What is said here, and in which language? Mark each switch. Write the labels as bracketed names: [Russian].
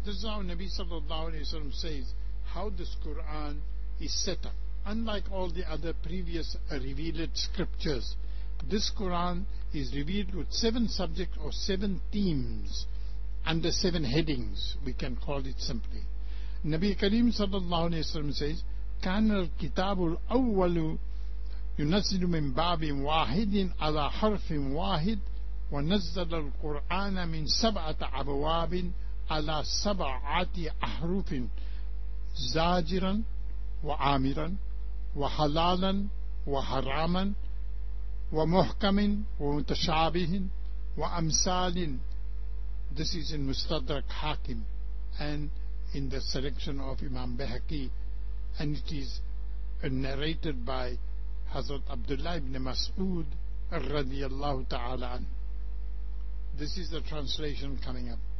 [English] This is how Nabi sallallahu alaihi wasallam says how this Quran is set up. Unlike all the other previous revealed scriptures, this Quran is revealed with 7 subjects or 7 themes under 7 headings, we can call it simply. [Arabic] Nabi Karim sallallahu alayhi wa sallam says, كَانَ الْكِتَابُ الْأَوَّلُ يُنَزِّلُ مِنْ بَابٍ وَاحِدٍ عَلَى حَرْفٍ وَاحِدٍ وَنَزَّلَ الْقُرْآنَ مِنْ 7 أَبْوَابٍ عَلَى 7 أَحْرُفٍ. زاجرا وعامرا وحلالا وحراما ومحكم ومتشابه وأمثال. [English] This is in Mustadrak Hakim and in the selection of Imam Bihaqi, and it is narrated by Hazrat Abdullah ibn Mas'ud radiyallahu ta'ala an. This is the translation coming up.